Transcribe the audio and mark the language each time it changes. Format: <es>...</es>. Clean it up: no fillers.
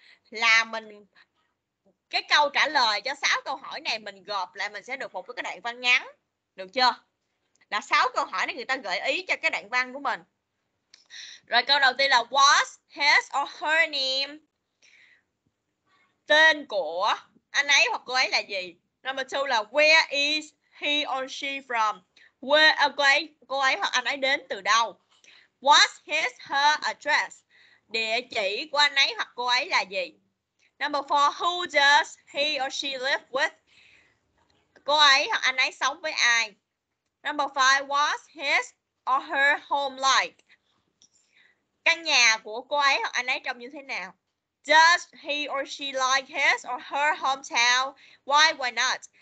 <vi>Là mình cái câu trả lời cho 6 câu hỏi này mình gộp lại mình sẽ được một cái đoạn văn ngắn. Được chưa? Là 6 câu hỏi này người ta gợi ý cho cái đoạn văn của mình. Rồi câu đầu tiên là</vi> <en>what's his or her name?</en> <vi>Tên của anh ấy hoặc cô ấy là gì?</vi> <en>Number 2 là where is he or she from?</en> <vi>Where okay, cô ấy hoặc anh ấy đến từ đâu?</vi> <en>What's his her address?</en> <vi>Địa chỉ của anh ấy hoặc cô ấy là gì?</vi> <en>Number 4, who does he or she live with?</en> <vi>Cô ấy hoặc anh ấy sống với ai?</vi> <en>Number 5, what's his or her home like?</en> <vi>Căn nhà của cô ấy hoặc anh ấy trông như thế nào?</vi> <en>Does he or she like his or her hometown? Why not?</en>